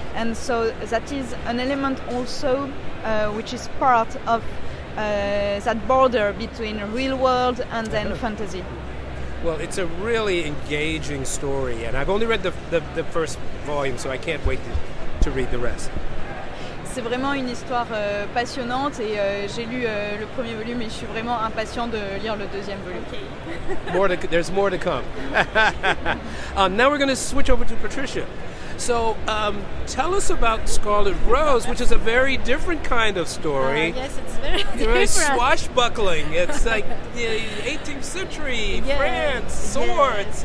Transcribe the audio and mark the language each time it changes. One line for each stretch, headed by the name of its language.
English: And so that is an element also which is part of that border between real world and then fantasy. Well, it's a really engaging story, and I've only read the first volume, so I can't wait to read the rest.
French: C'est vraiment une histoire passionnante, et j'ai lu le premier volume et je suis vraiment impatient de lire le deuxième volume.
English: Okay. There's more to come. Now we're going to switch over to Patricia. So tell us about Scarlet Rose, which is a very different kind of story. Yes, it's very different. Very swashbuckling. It's like the 18th century, yes, France, swords,